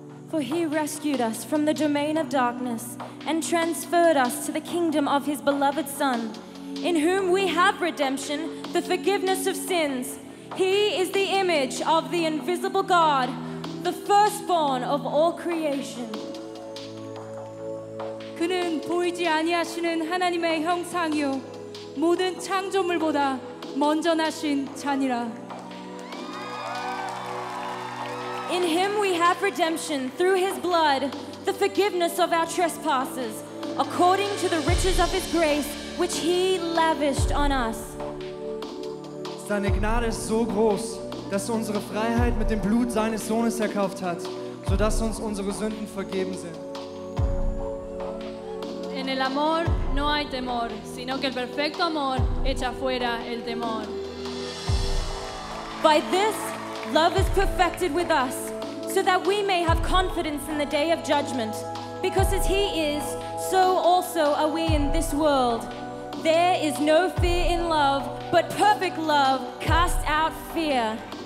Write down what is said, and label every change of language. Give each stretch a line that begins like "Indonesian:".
English: For he rescued us from the domain of darkness and transferred us to the kingdom of his beloved Son, in whom we have redemption, the forgiveness of sins. He is the image of the invisible God, the firstborn of all creation.
Korean: 그는 보이지 아니하시는 하나님의 형상이요 모든 창조물보다 먼저 나신 자니라.
English: In him we have redemption through his blood, the forgiveness of our trespasses, according to the riches of his grace, which he lavished on us.
German: Seine Gnade ist so groß, dass er unsere Freiheit mit dem Blut seines Sohnes erkauft hat, sodass uns unsere Sünden vergeben sind.
Spanish: En el amor no hay temor, sino que el perfecto amor echa fuera el temor.
English: By this, love is perfected with us, so that we may have confidence in the day of judgment. Because as he is, so also are we in this world. There is no fear in love, but perfect love casts out fear.